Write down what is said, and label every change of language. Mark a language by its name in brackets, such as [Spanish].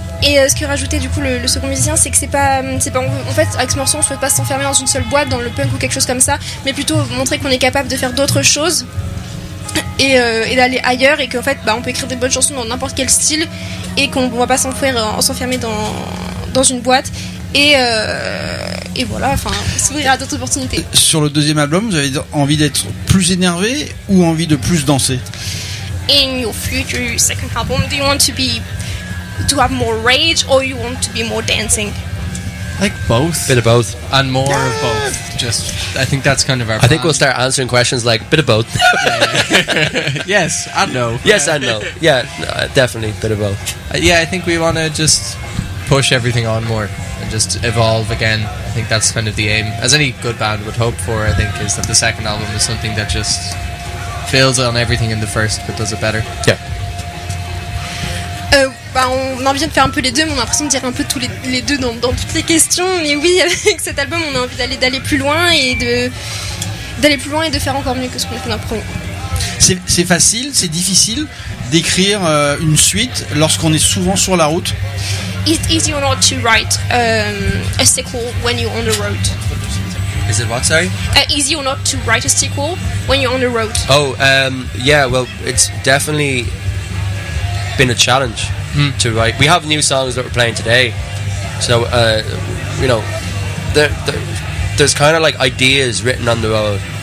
[French] Et ce que rajoutait du coup le second musicien, c'est que c'est pas en fait, avec ce morceau, on ne souhaite pas s'enfermer dans une seule boîte, dans le punk ou quelque chose comme ça, mais plutôt montrer qu'on est capable de faire d'autres choses et d'aller ailleurs, et qu'en fait, on peut écrire des bonnes chansons dans n'importe quel style et qu'on ne va pas s'enfermer dans une boîte. Et voilà, enfin, s'ouvrir à d'autres opportunités. Sur le deuxième album, vous avez envie d'être plus énervé ou envie de plus danser? [English] In your future second album, do you want to have more rage or you want to be more dancing? Like both, bit of both, and more of both. Just, I think that's kind of our. I think we'll start answering questions like bit of both. Yes and no. Yes and no. Yeah, definitely bit of both. Yeah, I think we want to just push everything on more. Just evolve again. I think that's kind of the aim, as any good band would hope for. I think is that the second album is something that just builds on everything in the first, but does it better. Yeah. [French] On a envie de faire un peu les deux, mais on a l'impression de dire un peu tous les deux dans toutes les questions. Mais oui, avec cet album, on a envie d'aller plus loin et de faire encore mieux que ce qu'on a fait dans le premier. C'est facile, c'est difficile d'écrire une suite lorsqu'on est souvent sur la route. [English] It's easy or not to write a sequel when you're on the road? Is it what, sorry? Easy or not to write a sequel when you're on the road? Oh, yeah, well, it's definitely been a challenge to write. We have new songs that we're playing today. So, you know, there's kind of like ideas written on the road.